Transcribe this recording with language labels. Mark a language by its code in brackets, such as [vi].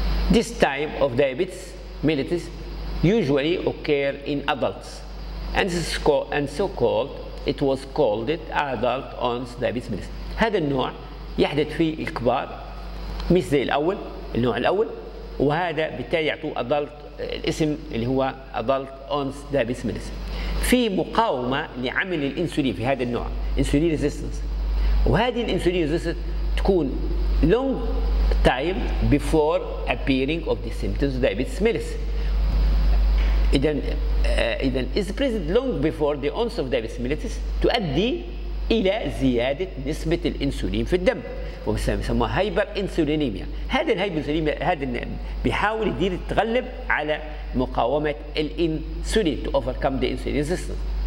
[en] This type of diabetes mellitus usually occur in adults and this and so called it was called it adult onset diabetes mellitus. [ar] هذا النوع يحدث في الكبار مش زي الأول النوع الأول، وهذا بالتالي يعطوه adult الاسم اللي هو adult onset diabetes mellitus. في مقاومة لعمل الإنسولين في هذا النوع [en] insulin resistance، [ar] وهذه الإنسولين [en] resistance [ar] تكون [en] long time before appearing of the symptoms of diabetes mellitus. [ar] إذن [en] is present long before the onset of diabetes mellitus [ar] تؤدي إلى زيادة نسبة الإنسولين في الدم ويسموها هايبر إنسولينيميا. هذا الهايبر إنسولينيميا هذا بيحاول يدير يتغلب على مقاومة الإنسولين [en] to overcome the insulin resistance.